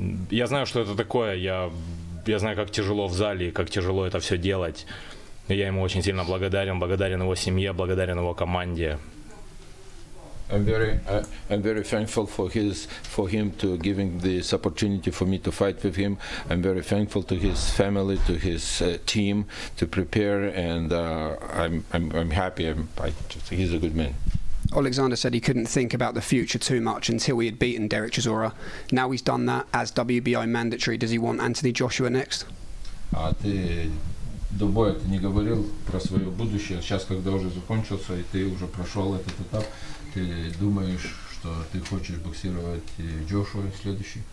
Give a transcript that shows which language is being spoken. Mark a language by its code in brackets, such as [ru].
[ru] Я знаю, что это такое. Я знаю, как тяжело в зале, как тяжело это все делать. Я ему очень сильно благодарен. Благодарен его семье, благодарен его команде. [en] I'm very thankful for him to giving this opportunity for me to fight with him. I'm very thankful to his family, to his team, to prepare, and I'm happy. He's a good man. Alexander said he couldn't think about the future too much until he had beaten Derek Chisora. Now he's done that as WBO mandatory. Does he want Anthony Joshua next? [ru] Ты до боя ты не говорил про свое будущее. Сейчас, когда уже закончился и ты уже прошел этот этап, ты думаешь, что ты хочешь боксировать Джошуа следующий?